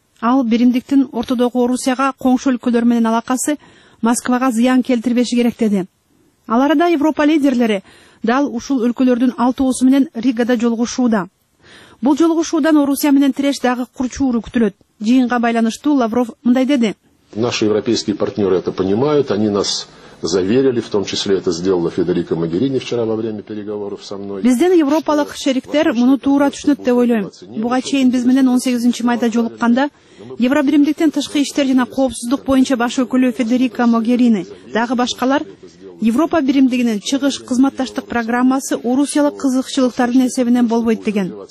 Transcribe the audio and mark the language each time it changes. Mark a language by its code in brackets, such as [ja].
[ky] Ал биримдиктин ортодогу Орусияга коңшу өлкөлөр менен алакасы Москвага зыян келтирбеши керек деди. Ал арада Европа лидерлери дал ушул өлкөлөрдүн алтоосу менен Ригада жолугушууда. Бул жолугушуудан Орусия менен тиреш дагы курчуу күтүлөт. Жыйынга байланыштуу Лавров мындай деди: [ru] Наши европейские партнеры это понимают, они нас заверили, в том числе это сделала Федерико Могерини вчера во время переговоров со мной. [ky] Бизден европалык шериктер муну туура түшүнөт деп ойлойм. Буга чейин биз менен 18 майда жолукканда Евробиримдиктен тышкы иштер жана коопсуздук боюнча баш өкүлү Федерико Могерини дагы башкалар Европа биримдигинин чыгыш кызматташтык программасы орусиялык кызыкчылыктардын эсебинен болбойт деген.